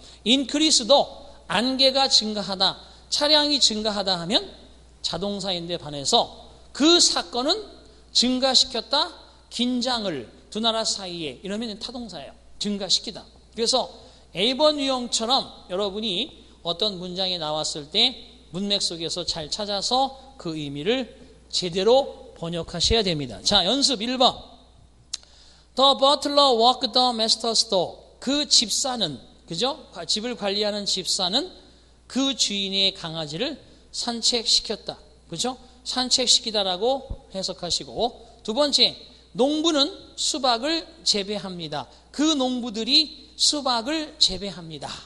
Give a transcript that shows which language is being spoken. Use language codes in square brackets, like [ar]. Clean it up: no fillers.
[ko] 인크리스도 안개가 증가하다, 차량이 증가하다 하면 자동사인데 반해서 그 사건은 증가시켰다, 긴장을 두 나라 사이에 이러면 타동사예요. 증가시키다. 그래서 A번 유형처럼 여러분이 어떤 문장이 나왔을 때 문맥 속에서 잘 찾아서 그 의미를 제대로 번역하셔야 됩니다. 자, 연습 1번. [en] The butler walked the master's door. [ko] 그 집사는, 그죠? 집을 관리하는 집사는 그 주인의 강아지를 산책시켰다. 그죠? 산책시키다라고 해석하시고. 두 번째, 농부는 수박을 재배합니다. 그 농부들이 수박을 재배합니다.